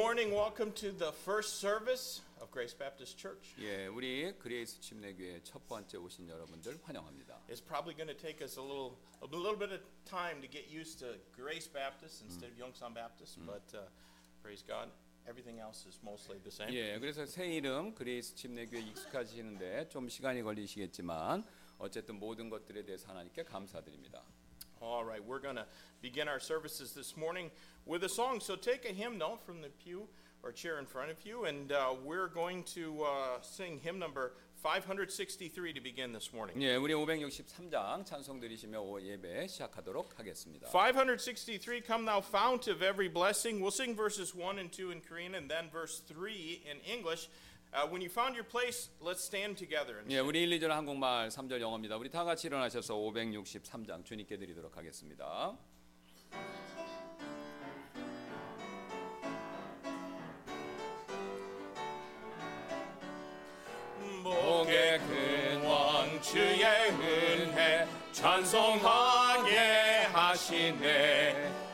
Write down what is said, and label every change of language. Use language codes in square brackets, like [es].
[en] welcome to the first service of Grace Baptist Church. [ko] 예, 우리 그레이스 침례교회 첫 번째 오신 여러분들 환영합니다. [en] It's probably going to take us a little bit of time to get used to Grace Baptist instead of Yongsan Baptist, but praise God, everything else is mostly the same. [ko] 예, 그래서 새 이름 그레이스 침례교회 익숙하시는데 좀 시간이 걸리시겠지만 어쨌든 모든 것들에 대해서 하나님께 감사드립니다. [en] All right, we're going to begin our services this morning with a song. So take a hymnal from the pew or chair in front of you, and we're going to sing hymn number 563 to begin this morning. [ko] 예, 우리 563장 찬송 드리시며 예배 시작하도록 하겠습니다. [en] 563, Come Thou Fount of Every Blessing. We'll sing verses 1 and 2 in Korean and then verse 3 in English. When you found your place, let's stand together. [ko] 예, 우리 1, 2절 한국말, 3절 영어입니다. 우리 다 같이 일어나셔서 563장 주님께 드리도록 하겠습니다. 목의 큰 왕 주의 은혜 찬송하게 하시네.